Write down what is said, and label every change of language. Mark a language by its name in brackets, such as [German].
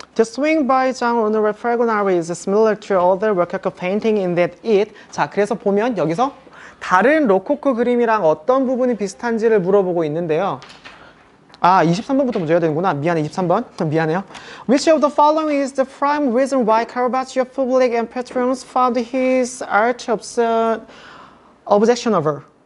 [English] The swing by Zhang Ronald Fragonari is similar to other rococo painting in that it. [Korean] 자, 그래서 보면 여기서 다른 로코코 그림이랑 어떤 부분이 비슷한지를 물어보고 있는데요. 아, 23번부터 먼저 해야 되는구나. 미안해, 23번. 미안해요. [English] Which of the following is the prime reason why Caravaggio's public and patrons found his art objectionable?